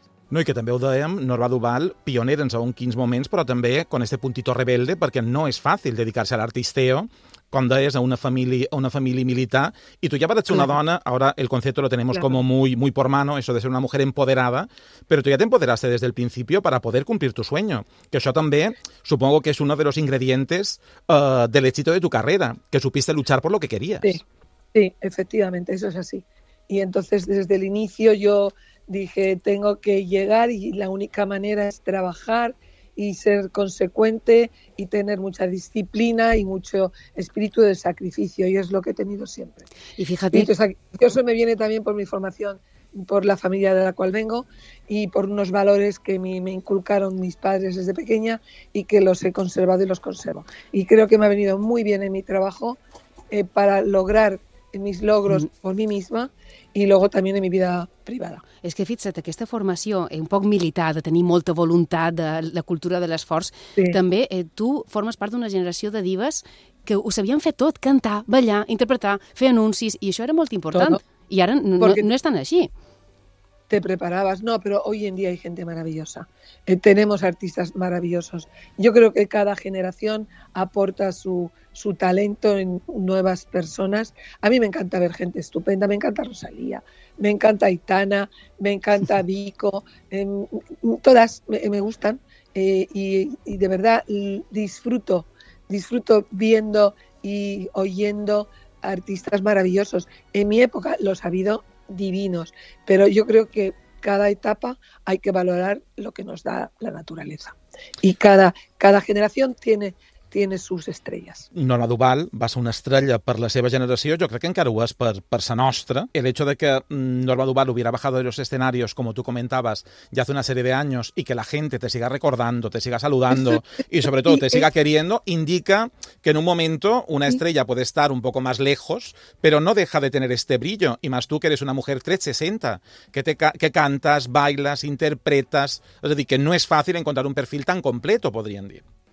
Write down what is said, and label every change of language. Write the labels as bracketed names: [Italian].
[Catalan] No, i que també ho dèiem, Norma Duval, pionera en segons quins moments, però també [Spanish] con este puntito rebelde, [Catalan] perquè no és fàcil dedicar-se a l'artisteo, com deies, a una família militar, i tu ja vas ser una dona, ara el concepte [Spanish] lo tenemos como muy, muy por mano, eso de ser una mujer empoderada, [Catalan] però tu ja t'empoderaste des del principi per a poder complir tu sueño, que això també [Spanish] supongo que [Catalan] és [Spanish] uno de los ingredientes de [Catalan] l'èxito de tu carrera, [Spanish] que supiste luchar por lo que querías. Sí. Sí, efectivamente, eso es así. Y entonces desde el inicio yo dije, tengo que llegar y la única manera es trabajar y ser consecuente y tener mucha disciplina y mucho espíritu de sacrificio, y es lo que he tenido siempre. Y fíjate, eso me viene también por mi formación, por la familia de la cual vengo y por unos valores que me inculcaron mis padres desde pequeña y que los he conservado y los conservo. Y creo que me ha venido muy bien en mi trabajo para lograr mis logros por mi misma i luego también en mi vida privada. [Catalan] És que fixa't, aquesta formació és un poc militar, de tenir molta voluntat, de la cultura de l'esforç, sí. També tu formes part d'una generació de divas que ho sabien fer tot, cantar, ballar, interpretar, fer anuncis, i això era molt important. [Spanish] Todo. [Catalan] I ara no és tan així. [Spanish] Te preparabas, no, pero hoy en día hay gente maravillosa. Tenemos artistas maravillosos. Yo creo que cada generación aporta su talento en nuevas personas. A mí me encanta ver gente estupenda, me encanta Rosalía, me encanta Aitana, me encanta Vico, todas me gustan y de verdad disfruto viendo y oyendo artistas maravillosos. En mi época los ha habido divinos, pero yo creo que cada etapa hay que valorar lo que nos da la naturaleza y cada generación tiene sus estrellas. [Catalan] Norma Duval va ser una estrella per la seva generació, jo crec que encara ho és per sa nostra. [Spanish] El hecho de que Norma Duval hubiera bajado de los escenarios, como tú comentabas, ya hace una serie de años, y que la gente te siga recordando, te siga saludando y sobre todo te siga queriendo, indica que en un momento una estrella puede estar un poco más lejos, pero no deja de tener este brillo, y más tú que eres una mujer 360, que cantas, bailas, interpretas, es decir, que no es fácil encontrar un perfil tan completo, podrían decir.